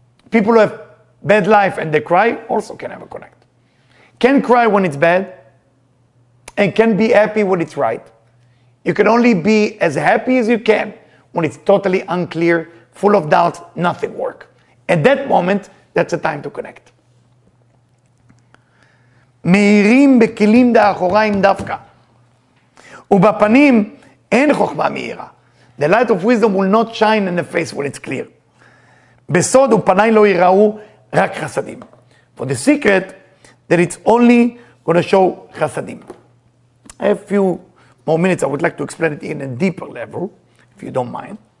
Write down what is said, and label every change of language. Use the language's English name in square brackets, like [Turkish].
[English] People who have bad life and they cry also can never connect. Can cry when it's bad and can be happy when it's right. You can only be as happy as you can when it's totally unclear, full of doubt, nothing work. At that moment, that's the time to connect. [Hebrew] מאירים בכלים דאחוריים דווקא. ובפנים אין חוכמה מאירה. [English] The light of wisdom will not shine in the face when it's clear. [Hebrew] בסוד ופניי לא יראו רק חסדים. [English] For the secret, that it's only going to show חסדים. I have a few more minutes. I would like to explain it in a deeper level, if you don't mind.